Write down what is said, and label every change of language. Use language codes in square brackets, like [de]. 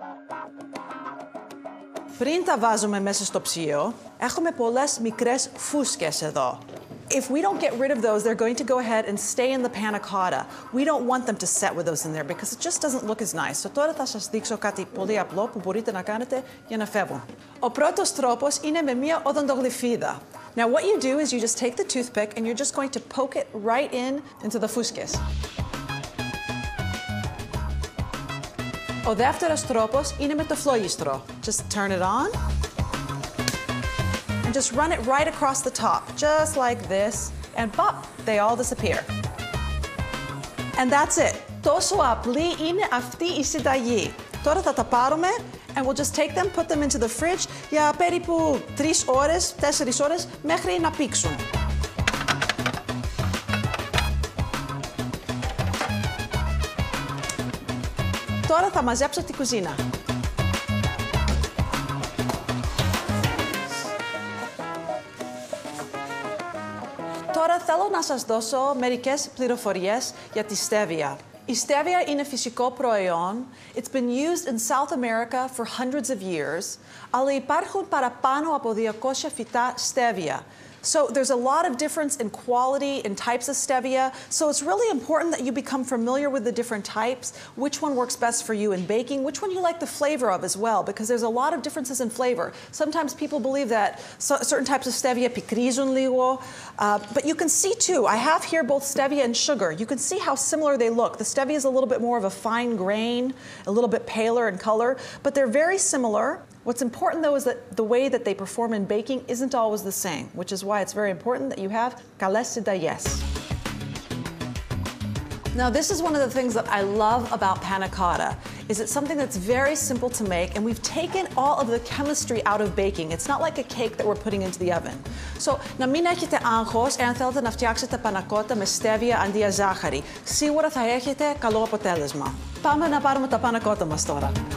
[en] Bye. [el] Πριν τα βάζουμε μέσα στο ψυγείο, έχουμε πολλές μικρές φούσκες εδώ. [en] If we don't get rid of those, they're going to go ahead and stay in the panna cotta. We don't want them to set with those in there because it just doesn't look as nice. [el] So τώρα θα σας δείξω κάτι πολύ απλό που μπορείτε να κάνετε για να φεύγουν. Ο πρώτος τρόπος είναι με μία οδοντογλυφίδα. [en] Now what you do is you just take the toothpick and you're just going to poke it right in into the fuscus. [el] Ο δεύτερος τρόπος είναι με το φλόγιστρο. [en] Just turn it on. And just run it right across the top, just like this. And bop, they all disappear. And that's it. [el] Τόσο απλή είναι αυτή η συνταγή. Τώρα θα τα πάρουμε [en] and we'll just take them, put them into the fridge [el] για περίπου 3 ώρες, 4 ώρες, μέχρι να πήξουν. Τώρα θα μαζέψω την κουζίνα. Τώρα θέλω να σας δώσω μερικές πληροφορίες για τη στέβια. Η στέβια είναι φυσικό προϊόν. [en] It's been used in South America for hundreds of years. [el] Αλλά υπάρχουν παραπάνω από 200 φυτά στέβια. [en] So there's a lot of difference in quality and types of stevia. So it's really important that you become familiar with the different types, which one works best for you in baking, which one you like the flavor of as well, because there's a lot of differences in flavor. Sometimes people believe that certain types of stevia [el] pikrizun liwo, [en] but you can see too, I have here both stevia and sugar. You can see how similar they look. The stevia is a little bit more of a fine grain, a little bit paler in color, but they're very similar. What's important, though, is that the way that they perform in baking isn't always the same, which is why it's very important that you have [el] καλές συνταγές. [en] Now, this is one of the things that I love about panna cotta, is it's something that's very simple to make, and we've taken all of the chemistry out of baking. It's not like a cake that we're putting into the oven. [el] So, να μην έχετε άγχος εάν θέλετε να φτιάξετε panna cotta με στέβια αντί για ζάχαρη. Σίγουρα θα έχετε καλό αποτέλεσμα. Πάμε να πάρουμε τα panna cotta μας τώρα.